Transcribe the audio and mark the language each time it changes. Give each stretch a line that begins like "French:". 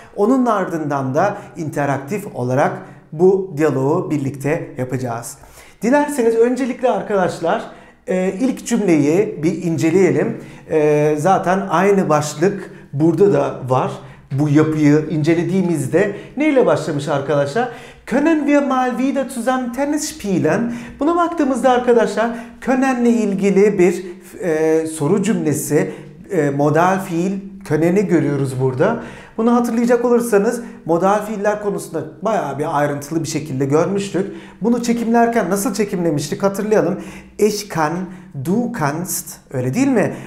Turkish: Onun ardından da interaktif olarak bu diyaloğu birlikte yapacağız. Dilerseniz öncelikle arkadaşlar ilk cümleyi bir inceleyelim. Zaten aynı başlık burada da var. Bu yapıyı incelediğimizde neyle başlamış arkadaşlar?
German: Können wir mal wieder zusammen Tennis spielen?
Turkish: Buna baktığımızda arkadaşlar können'le ilgili bir soru cümlesi, modal fiil können'i görüyoruz burada. Bunu hatırlayacak olursanız modal fiiller konusunda bayağı bir ayrıntılı bir şekilde görmüştük. Bunu çekimlerken nasıl çekimlemiştik hatırlayalım.
German: Ich kann, du kannst,
Turkish: öyle değil mi?